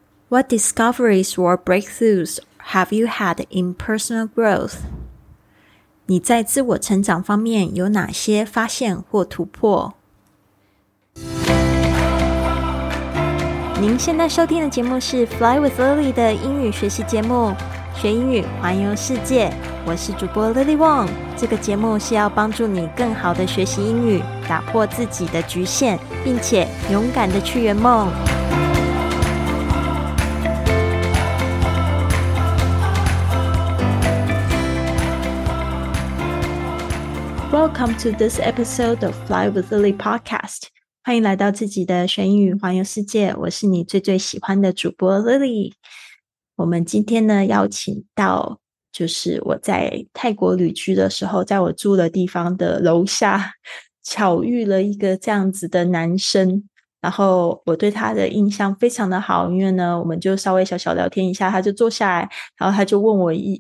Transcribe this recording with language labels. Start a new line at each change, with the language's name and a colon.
English: What discoveries or breakthroughs have you had in personal growth?
Chinese: 你在自我成长方面有哪些发现或突破？您现在收听的节目是 Fly with Lily 的英语学习节目，学英语，环游世界。我是主播 Lily Wong。这个节目是要帮助你更好的学习英语，打破自己的局限，并且勇敢的去圆梦。
English: Welcome to this episode of Fly with Lily podcast.
Chinese: 欢迎来到自己的学英语环游世界，我是你最最喜欢的主播 Lily。我们今天呢邀请到就是我在泰国旅居的时候，在我住的地方的楼下巧遇了一个这样子的男生，然后我对他的印象非常的好，因为呢我们就稍微小小聊天一下，他就坐下来，然后他就问我